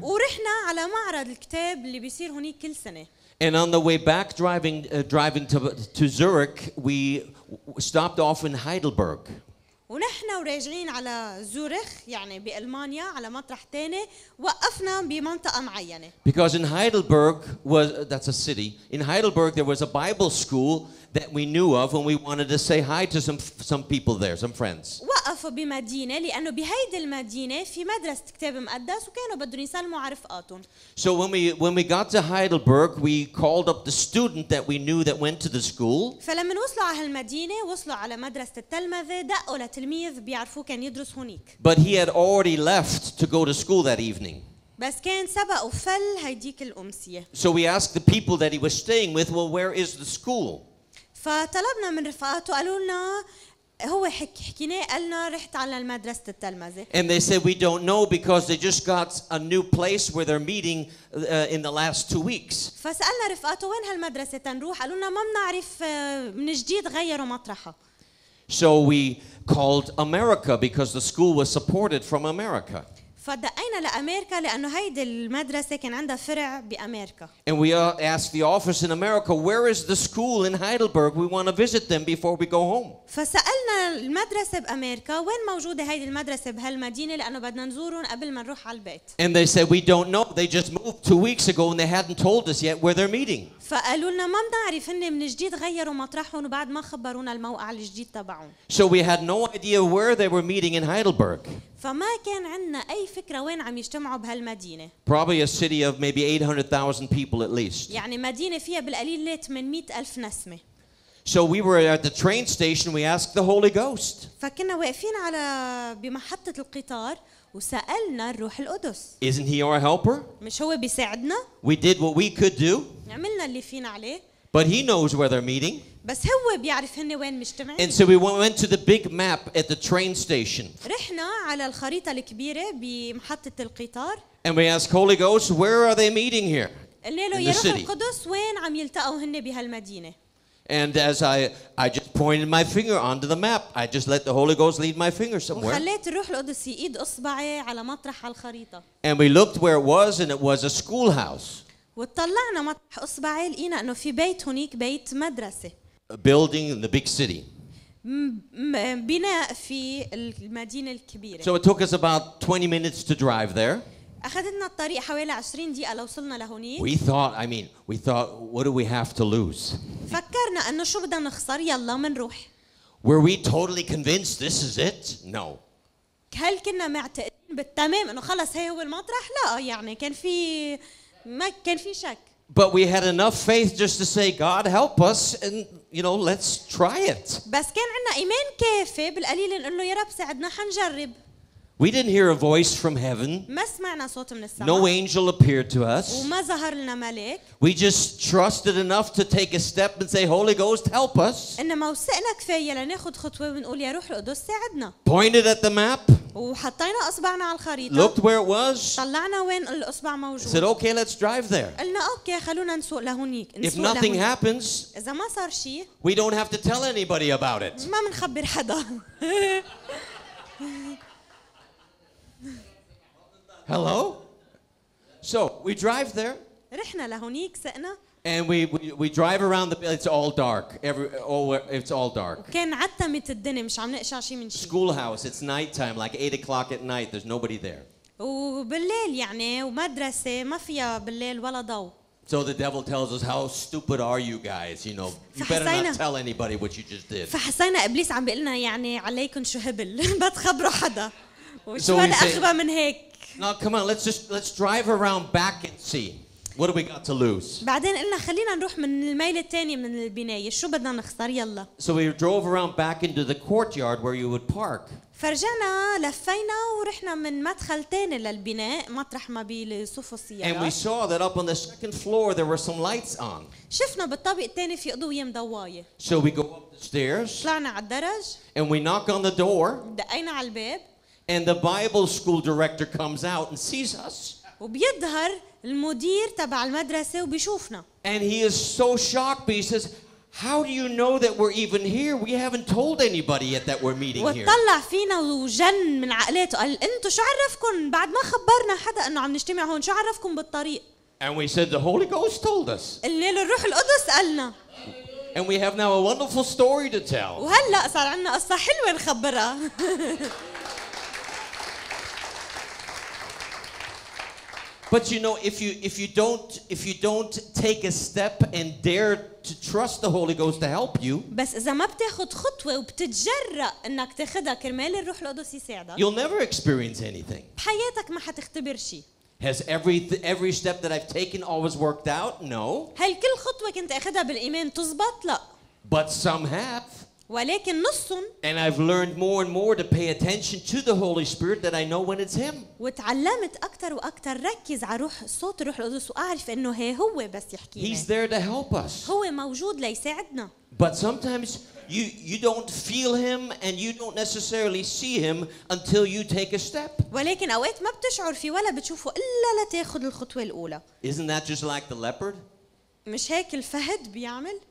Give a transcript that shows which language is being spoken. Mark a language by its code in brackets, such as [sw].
[ar] ورحنا على معرض الكتاب اللي بيصير هني كل سنة. [en] And on the way back, driving to Zurich, we stopped off in Heidelberg. [ar] ونحن وراجعين على زوريخ يعني بألمانيا على مطرح تاني وقفنا بمنطقة معينة. [en] Because in Heidelberg was that's a city. In Heidelberg there was a Bible school that we knew of and we wanted to say hi to some people there, some friends. [ar] وقف وقفوا بمدينة لأنه بهيدي المدينة في مدرسة كتاب مقدس وكانوا بدون يسلموا عرفقاتهم. [en] So when we got to Heidelberg, we called up the student that we knew that went to the school. [ar] فلما وصلوا على هالمدينة وصلوا على مدرسة التلمذة دقوا لتلميذ بيعرفوا كان يدرس هناك. [en] But he had already left to go to school that evening. [ar] بس كان سبق وفل هيديك الأمسية. [en] So we asked the people that he was staying with, well, where is the school? [ar] فطلبنا من رفقاته قالوا لنا هو حكيناه قالنا رحت على المدرسة التلمذة. [en] And they said we don't know because they just got a new place where they're meeting in the last 2 weeks. [ar] فسألنا رفقاته وين هالمدرسة تنروح قالوا لنا ما بنعرف من جديد غيروا مطرحها. [en] So we called America because the school was supported from America. [ar] فدقينا لأمريكا لأنه هيدي المدرسة كان عندها فرع بأمريكا. [en] And we asked the office in America, where is the school in Heidelberg? We want to visit them before we go home. [ar] فسألنا المدرسة بأمريكا وين موجودة هيدي المدرسة بهالمدينة لأنه بدنا نزورهم قبل ما نروح على البيت. [en] And they said we don't know. They just moved 2 weeks ago and they hadn't told us yet where they're meeting. [ar] فقالوا لنا ما بنعرف هن من جديد غيروا مطرحهم وبعد ما خبرونا الموقع الجديد تبعهم. [en] So we had no idea where they were meeting in Heidelberg. [ar] فما كان عندنا اي فكره وين عم يجتمعوا بهالمدينه. [en] Probably a city of maybe 800,000 people at least. [ar] يعني مدينه فيها بالقليل 800,000 نسمه. [en] So we were at the train station, we asked the Holy Ghost. [ar] فكنا واقفين على بمحطه القطار وسالنا الروح القدس. [en] Isn't he our helper? [ar] مش هو بيساعدنا؟ [en] We did what we could do. [ar] عملنا اللي فينا عليه. [en] But he knows where they're meeting. [ar] بس هو بيعرف هن وين مجتمعين. [en] And so we went to the big map at the train station. [ar] رحنا على الخريطة الكبيرة بمحطة القطار. [en] And we asked Holy Ghost, where are they meeting here? [ar] قلنا له يا روح القدس وين عم يلتقوا هن بهالمدينة. [en] And as I just pointed my finger onto the map, I just let the Holy Ghost lead my finger somewhere. [ar] وخليت الروح القدس يقيد إصبعي على مطرح الخريطة. [en] And we looked where it was, and it was a schoolhouse. [ar] وطلعنا مطرح إصبعي لقينا إنه في بيت هنيك بيت مدرسة. [en] A building in the big city. [ar] بناء في المدينة الكبيرة. [en] So it took us about 20 minutes to drive there. [ar] أخذنا الطريق حوالي 20 دقيقة لوصلنا لهنيك. [en] We thought, what do we have to lose? [ar] فكرنا إنه شو بدنا نخسر يلا منروح. [en] Were we totally convinced this is it? No. [ar] هل كنا معتقدين بالتمام إنه خلص هي هو المطرح؟ لا يعني كان في ما كان في شك. [en] But we had enough faith just to say, God help us, and you know, let's try it. [ar] بس كان عنا إيمان كافي بالقليل نقول له يا رب ساعدنا حنجرب. [en] We didn't hear a voice from heaven. [ar] ما سمعنا صوت من السماء. [en] No angel appeared to us. [ar] وما ظهر لنا ملك. [en] We just trusted enough to take a step and say, Holy Ghost, help us. [ar] إنما وثقنا كفاية لناخد خطوة ونقول يا روح القدس ساعدنا. [en] Pointed at the map. [ar] وحطينا إصبعنا على الخريطة. [en] Looked where it was. [ar] طلعنا وين الإصبع موجود. [en] Said, okay, let's drive there. [ar] قلنا أوكي خلونا نسوق لهنيك. [en] If nothing happens. [ar] إذا ما صار شيء. [en] We don't have to tell anybody about it. [ar] ما منخبر حدا. [en] Hello? So we drive there. [ar] رحنا لهنيك سقنا. [en] And we drive around the it's all dark. It's all dark. [ar] كان عتمت الدنيا مش عم نقشع شيء من شيء. [en] Schoolhouse, it's nighttime, like 8 o'clock at night. There's nobody there. [ar] وبالليل يعني ومدرسة ما فيها بالليل ولا ضوء. [en] So the devil tells us, how stupid are you guys? You know, you better not tell anybody what you just did. [ar] فحسينا إبليس عم بيقلنا يعني عليكم شو هبل ما تخبروا حدا. وشو ولا أخبى من هيك. [en] Now come on, let's drive around back and see. What do we got to lose? [ar] بعدين قلنا خلينا نروح من الميل الثاني من البناية. شو بدنا نخسر يلا. [en] So we drove around back into the courtyard where you would park. [ar] فرجعنا لفينا ورحنا من مدخل ثاني للبناء مطرح ما بيصفوا السيارات. [en] And we saw that up on the second floor there were some lights on. [ar] شفنا بالطابق الثاني في اضوية مضواية. [en] So we go up the stairs. [ar] طلعنا على الدرج. [en] And we knock on the door. [ar] دقينا على الباب. [en] And the Bible school director comes out and sees us. [ar] وبيظهر المدير تبع المدرسة وبيشوفنا. [en] And he is so shocked, but he says, "How do you know that we're even here? We haven't told anybody yet that we're meeting here." [ar] وطلع فينا وجن من عقلاته. قال انتو شو عرفكم بعد ما خبرنا حدا انه عم نجتمع هون؟ شو عرفكم بالطريق؟ [en] And we said, "The Holy Ghost told us." [ar] قلنا له الروح القدس قالنا. [en] And we have now a wonderful story to tell. [ar] وهلا صار عنا قصة حلوة نخبرها. [en] But you know, if you don't take a step and dare to trust the Holy Ghost to help you, [ar] بس إذا ما بتاخد خطوة وبتتجرأ إنك تاخدها كرمال الروح القدس يساعدك, [en] you'll never experience anything. [ar] بحياتك ما حتختبر شيء. [en] Has every step that I've taken always worked out? No. [ar] هل كل خطوة كنت أخدها بالإيمان تزبط؟ لا. [en] But some have. [ar] ولكن نصهم. [en] And I've learned more and more to pay attention to the Holy Spirit that I know when it's Him. [ar] وتعلمت أكتر وأكتر ركز على روح صوت الروح القدس وأعرف إنه هي هو بس يحكي. [en] He's there to help us. [ar] هو موجود ليساعدنا. [en] But sometimes you don't feel Him and you don't necessarily see Him until you take a step. [ar] ولكن أوقات ما بتشعر فيه ولا بتشوفه إلا لتاخد الخطوة الأولى. [en] Isn't that just like the leopard? [ar] مش هيك الفهد بيعمل؟